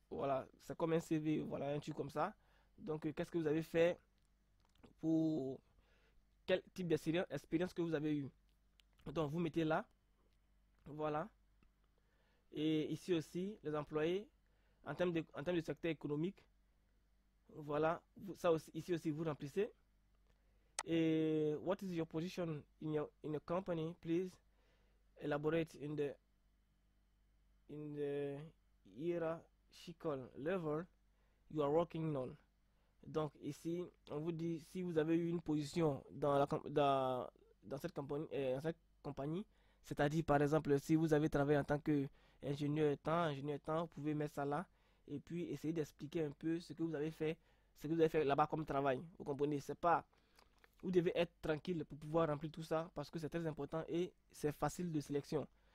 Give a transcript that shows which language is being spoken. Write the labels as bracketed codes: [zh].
[fr] Voilà, c'est comme un CV, voilà, un truc comme ça. Donc, qu'est-ce que vous avez fait pour quel type d'expérience que vous avez eu? Donc, vous mettez là. Voilà. Et ici aussi, les employés, en termes de secteur économique. Voilà, ça aussi, ici aussi vous remplissez. [en] Et what is your position in your company, please? Elaborate in the hierarchical level you are working on. [fr] Donc ici, on vous dit si vous avez eu une position dans cette compagnie, c'est-à-dire par exemple si vous avez travaillé en tant que ingénieur temps, vous pouvez mettre ça là et puis essayer d'expliquer un peu ce que vous avez fait. Ce que vous avez fait là-bas comme travail, vous comprenez, c'est pas. Vous devez être tranquille pour pouvoir remplir tout ça parce que c'est très important et c'est facile de sélection.